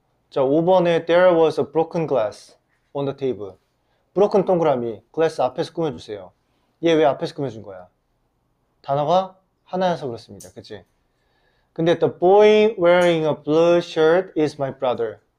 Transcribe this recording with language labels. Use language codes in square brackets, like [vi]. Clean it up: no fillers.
[ko] 자, 5번에 [en] there was a broken glass on the table. [ko] 브로큰 동그라미, 글래스 앞에서 꾸며주세요. 얘 왜 앞에서 꾸며준 거야? 단어가 하나여서 그렇습니다. 그치? [en] 근데 the boy wearing a blue shirt is my brother.